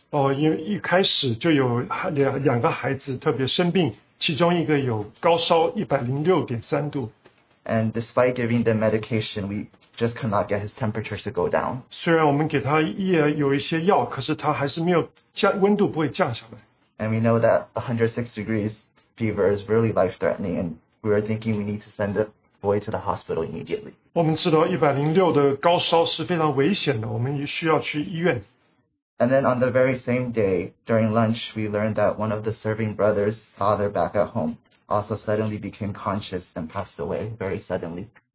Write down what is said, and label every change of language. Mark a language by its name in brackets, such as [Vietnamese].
[English] And despite giving them medication, we just could not get his temperature to go down. And we know that 106 degrees fever is really life-threatening, and we were thinking we need to send it boy to the hospital immediately. [Chinese] 我们知道106的高烧是非常危险的,我们需要去医院。 [English] And then on the very same day, during lunch, we learned that one of the serving brothers' father back at home also suddenly became conscious and passed away very suddenly.